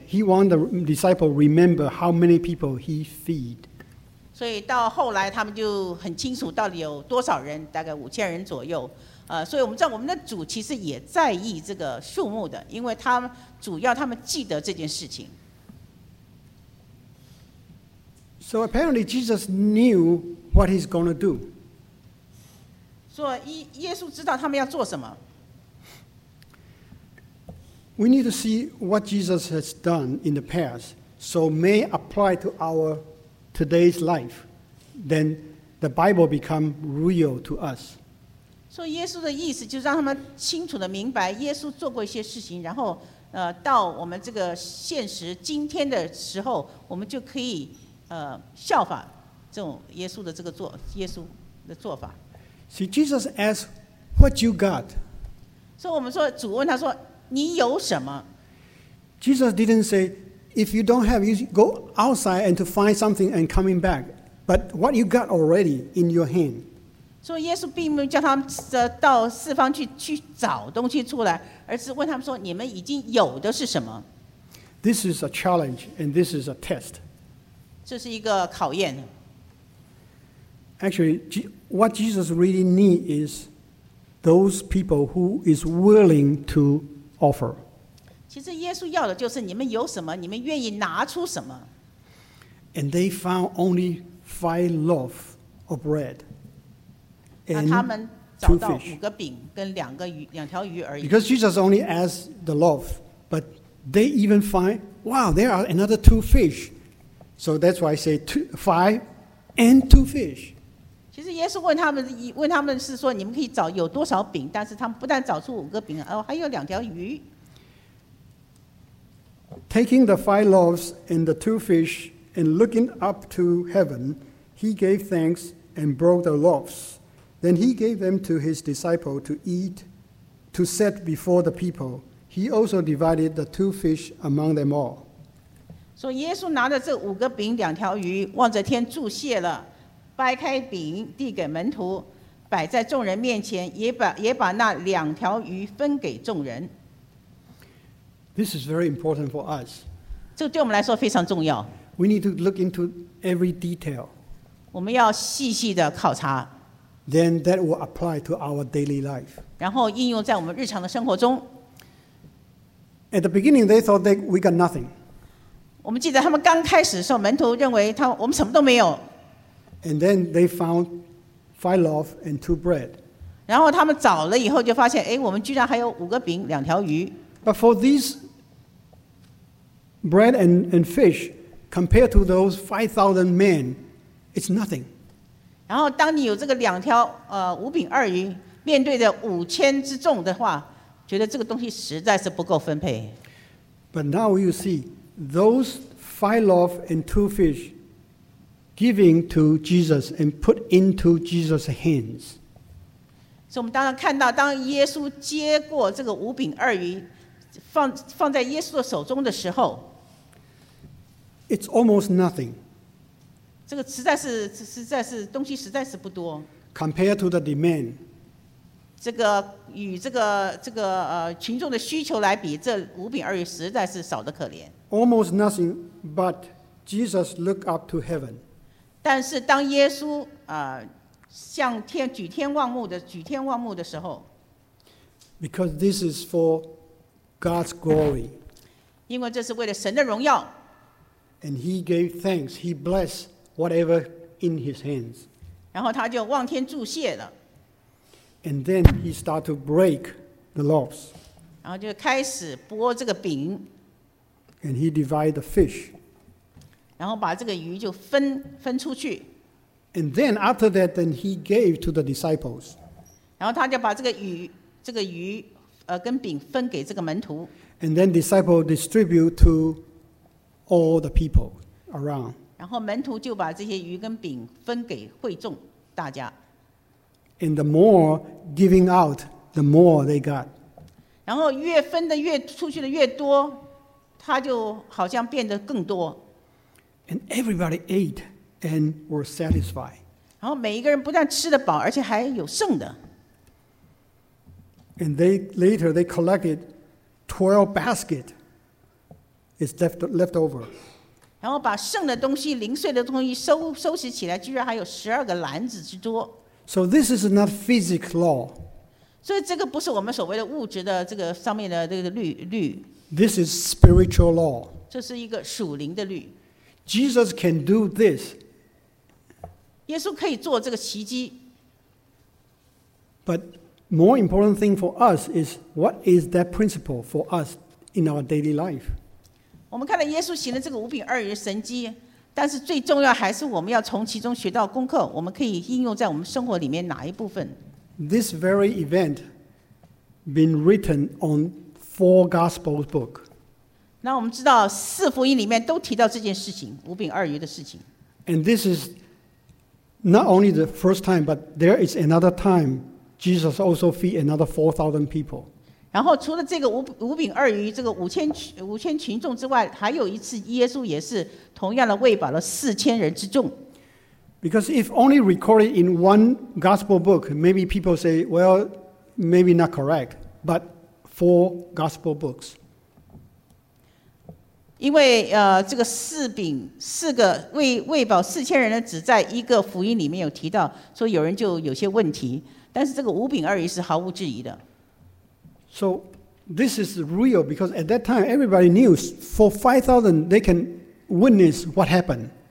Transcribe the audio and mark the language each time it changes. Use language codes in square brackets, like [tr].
[en] He wants the disciples to remember how many people he feed. [zh] 所以到后来他们就很清楚到底有多少人，大概5000人左右。所以我们知道我们的主其实也在意这个数目的，因为他主要他们记得这件事情。 [en] So apparently Jesus knew what he's going to do. [zh] 耶稣知道他们要做什么。 [en] We need to see what Jesus has done in the past, so may apply to our today's life. Then the Bible become real to us. [zh] 所以耶稣的意思就让他们清楚的明白耶稣做过一些事情，然后到我们这个现实今天的时候，我们就可以效法这种耶稣的这个做耶稣的做法。 [en] See, Jesus asked, "What you got?" So we say, [zh] 主问他说，你有什么？ [en] Jesus didn't say, "If you don't have, you go outside and to find something and coming back." But what you got already in your hand? [zh] So Jesus 并没有叫他们到四方去找东西出来，而是问他们说，你们已经有的是什么？ [en] This is a challenge and this is a test. [zh] 这是一个考验。 [en] Actually, what Jesus really needs is those people who is willing to offer. [zh] 其实耶稣要的就是你们有什么，你们愿意拿出什么。 [en] And they found only 5 loaves of bread. [zh] 那他们找到5个饼跟2条鱼而已。 [en] Because Jesus only asked the loaf, but they even find, wow, there are another 2 fish. So that's why I say 5 and 2 fish. [zh] 其实耶稣问他们是说你们可以找有多少饼，但是他们不但找出5个饼，哦，还有2条鱼。 [en] Taking the 5 loaves and the 2 fish and looking up to heaven, he gave thanks and broke the loaves. Then he gave them to his disciple to eat, to set before the people. He also divided the 2 fish among them all. [zh] 所以耶稣拿着这5个饼2条鱼，望着天祝谢了。掰开饼递给门徒，摆在众人面前，也把那2条鱼分给众人。 [en] This is very important for us. [zh] 这对我们来说非常重要。 [en] We need to look into every detail. [zh] 我们要细细的考察。 [en] Then that will apply to our daily life. [zh] 然后应用在我们日常的生活中。 [en] At the beginning, they thought that we got nothing. [zh] 我们记得他们刚开始的时候，门徒认为他我们什么都没有。 [en] And then they found 5 loaves and 2 bread. [zh] 然后他们找了以后就发现，哎，我们居然还有5个饼，2条鱼。 [en] But for these bread and fish, compared to those 5,000 men, it's nothing. [zh] 然后当你有这个5饼2鱼，面对着5000之众的话。觉得这个东西实在是不够分配。 [en] But now you see, those 5 loaves and 2 fish giving to Jesus and put into Jesus' hands. [zh] 所以我们当然看到，当耶稣接过这个5饼2鱼，放在耶稣的手中的时候 [en] ，It's almost nothing. [zh] 这个实在是东西实在是不多。 [en] Compared to the demand. [zh] 这个与这个群众的需求来比，这五饼二鱼实在是少得可怜。 [en] Almost nothing, but Jesus looked up to heaven. [zh] 但是当耶稣向天举天望目的时候 [en] ，Because this is for God's glory. [zh] 因为这是为了神的荣耀。 [en] And he gave thanks. He blessed whatever in his hands. [zh] 然后他就望天祝谢了。 [en] And then he started to break the loaves. [zh] 然后就开始剥这个饼。 [en] And he divided the fish. [zh] 然后把这个鱼就分出去。 [en] And then after that, then he gave to the disciples. [zh] 然后他就把这个鱼跟饼分给这个门徒。 [en] And then disciples distribute to all the people around. [zh] 然后门徒就把这些鱼跟饼分给会众大家。 [en] And the more giving out, the more they got. [zh] 然后越分的越出去的越多，他就好像变得更多。 [en] And everybody ate and were satisfied. [zh] 然后每一个人不但吃得饱，而且还有剩的。 [en] And they later they collected 12 baskets. It's left over. [zh] 然后把剩的东西、零碎的东西收拾起来，居然还有12个篮子之多。 [en] So this is not physics law. [zh] 所以这个不是我们所谓的物质的这个上面的这个律。 [en] This is spiritual law. [zh] 这是一个属灵的律。 [en] Jesus can do this. [zh] 耶稣可以做这个奇迹。 [en] But more important thing for us is what is that principle for us in our daily life? [zh] 我们看到耶稣行了这个五饼二鱼的神迹。但是最重要还是我们要从其中学到功课，我们可以应用在我们生活里面哪一部分。 [en] This very event been written on 4 gospel book. [zh] 那我们知道四福音里面都提到这件事情，五饼二鱼的事情。 [en] And this is not only the first time, but there is another time Jesus also feed another 4,000 people. [zh] 然后除了这个五饼二鱼这个五千群众之外，还有一次耶稣也是同样的喂饱了4000人之众。 [en] Because if only recorded in one gospel book, maybe people say, well, maybe not correct, but 4 gospel books. [zh] 因为这个四个喂饱4000人的只在一个福音里面有提到，所以有人就有些问题。但是这个五饼二鱼是毫无质疑的。 [en] So this is real because at that time everybody knew for 5,000 they can witness what happened.